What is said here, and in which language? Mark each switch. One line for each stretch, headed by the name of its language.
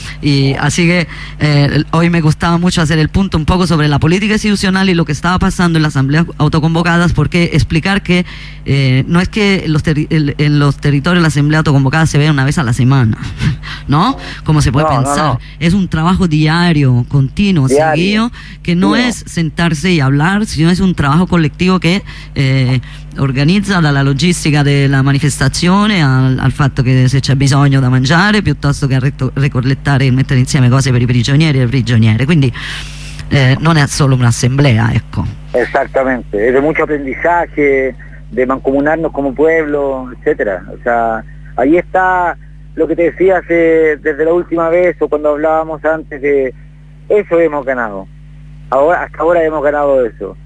Spanish: Y así que hoy me gustaba mucho hacer el punto un poco sobre la política institucional y lo que estaba pasando en la asambleas autoconvocadas, porque explicar que no es que en los territorios la asamblea autoconvocada se vea una vez a la semana, ¿no? Como se puede pensar. No. Es un trabajo diario, continuo, diario, seguido, que no es sentarse y hablar, sino es un trabajo colectivo que
Italian: organizza dalla logistica della manifestazione al fatto che se c'è bisogno da mangiare, piuttosto che a ricollettare e mettere insieme cose per i prigionieri e le prigioniere. Quindi non è solo un'assemblea, ecco.
Spanish: Exactamente, es de mucho aprendizaje, de mancomunarnos como pueblo, etcétera. O sea, ahí está lo que te decía desde la última vez o cuando hablábamos antes, de eso hemos ganado. Ahora, hasta ahora hemos ganado eso.